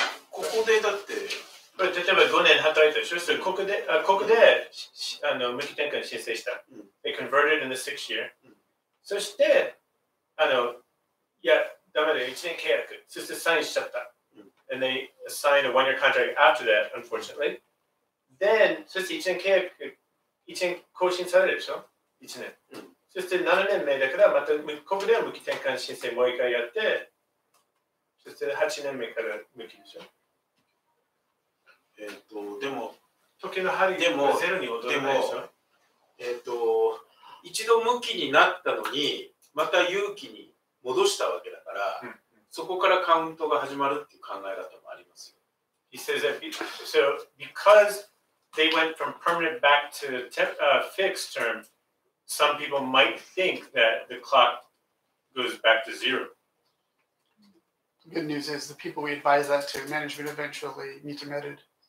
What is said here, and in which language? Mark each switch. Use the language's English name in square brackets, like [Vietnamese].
[Japanese] ここでだって。これ例えば5年働いてたでしょ？ここで、あ、ここで、あの、無期転換申請した。 [English] They converted in the sixth year。 [Japanese] そして、あの、いや、ダメだよ、1年契約。そしてサインしちゃった。 [English] And they assigned a one-year contract after that, unfortunately. [Japanese] Then, そして1年契約、1年更新されるでしょ？1 年。そして7年目だから、またここで無期転換申請もう一回やって、そして8年目から無期でしょ？でも、時の針がゼロに戻らないでしょ？でも、一度無期になったのに、また有期に戻したわけだから、そこからカウントが始まるっていう考え方もありますよ。 [English] He says that so because they went from permanent back to fixed term, some people might think that the clock goes back to zero. Good news is the people we advise that to management eventually meet a method.